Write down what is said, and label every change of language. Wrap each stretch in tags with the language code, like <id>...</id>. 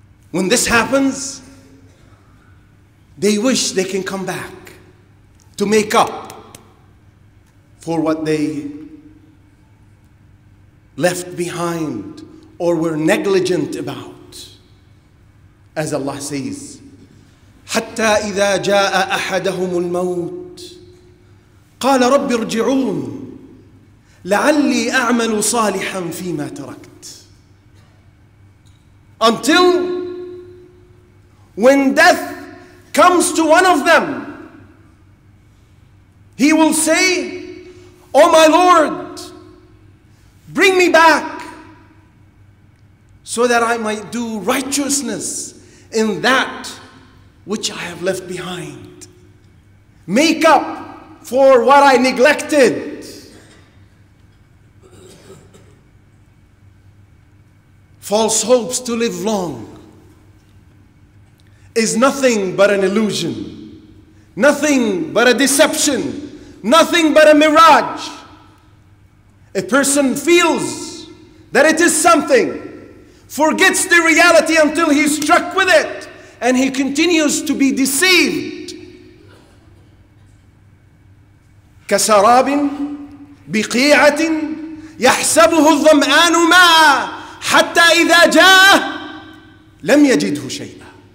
<en>When this happens, they wish they can come back to make up for what they left behind or were negligent about. As Allah says,</en> <ar>حتى إذا جاء أحدهم الموت قال رب ارجعون لعلي أعمل صالحا فيما تركت.</ar> <en>Until when death comes to one of them, he will say, Oh my Lord, bring me back so that I might do righteousness in that which I have left behind. Make up for what I neglected. False hopes to live long is nothing but an illusion, nothing but a deception, nothing but a mirage. A person feels that it is something, forgets the reality until he's struck with it, and he continues to be deceived.</en> <ar>كسراب بقيعة يحسبه الظمآن ماء حتى إذا جاء لم يجده شيئا.</ar>